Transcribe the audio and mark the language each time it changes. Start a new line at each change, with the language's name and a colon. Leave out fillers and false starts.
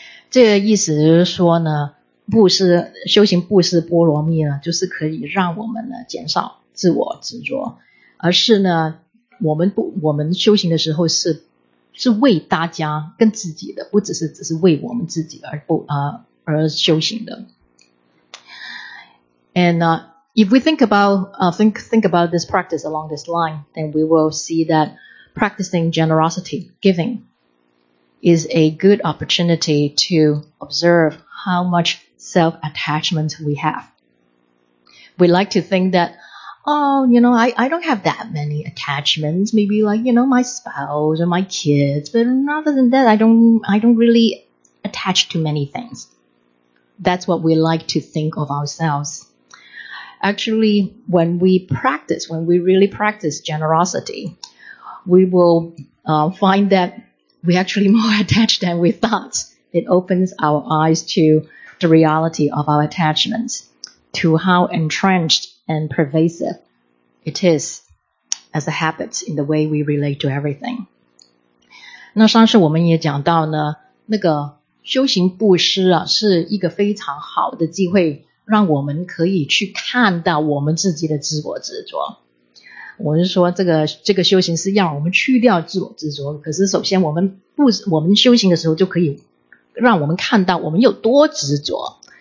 Chinese: 这个意思就是说呢，布施修行布施波罗蜜呢，就是可以让我们呢减少自我执着，而是呢我们修行的时候是为大家跟自己的，不只是为我们自己而修行的。
English: And if we think about this practice along this line, then we will see that practicing generosity, giving, is a good opportunity to observe how much self-attachment we have. We like to think that, oh, you know, I don't have that many attachments, maybe like, you know, my spouse or my kids, but other than that, I don't really attach to many things. That's what we like to think of ourselves. Actually, when we really practice generosity, we will find that we actually more attached than we thought. It opens our eyes to the reality of our attachments, to how entrenched and pervasive it is as a habit in the way we relate to everything.
Chinese: 那上次我们也讲到呢，那个修行布施啊，是一个非常好的机会，让我们可以去看到我们自己的自我执着。我是说这个修行是要我们去掉自我执着，可是首先我们修行的时候就可以让我们看到我们有多执着。